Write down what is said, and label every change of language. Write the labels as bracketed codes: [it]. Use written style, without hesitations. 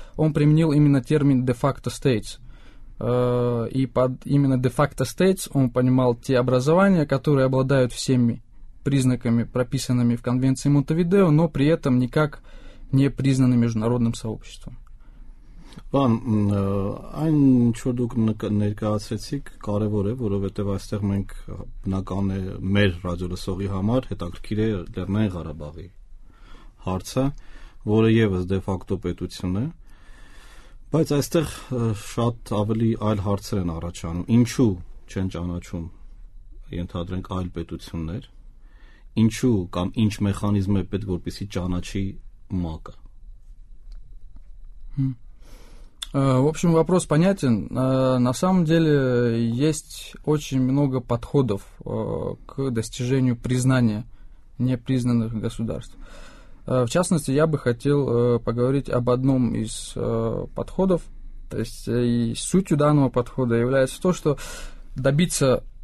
[ru] Он применил именно термин «де-факто стейтс». И под именно «де-факто стейтс» он понимал те образования, которые обладают всеми признаками, прописанными в Конвенции Монтевидео, но при этом никак не признаны международным сообществом. [hy] Բան, այն ինչ որ դուք ներկայացրեցիք կարևոր է, որովհետև այստեղ մենք բնական է մեր ռադիոլսողի համար հետաքրքիր է Լեռնային Ղարաբաղի հարցը, որը ևս դեֆակտո պետություն է, բայց այստեղ շատ ավելի այլ հարցեր են առաջանում. Ինչու չեն ճանաչում ենթադրենք այլ պետություններ, ինչու կամ ինչ մեխանիզմ է պետք, որպեսզի ճանաչի ՄԱԿ-ը։ [ru] В общем, вопрос понятен. На самом деле есть очень много подходов к достижению признания непризнанных государств. В частности, я бы хотел поговорить об одном из подходов. То есть и сутью данного подхода является то, что добиться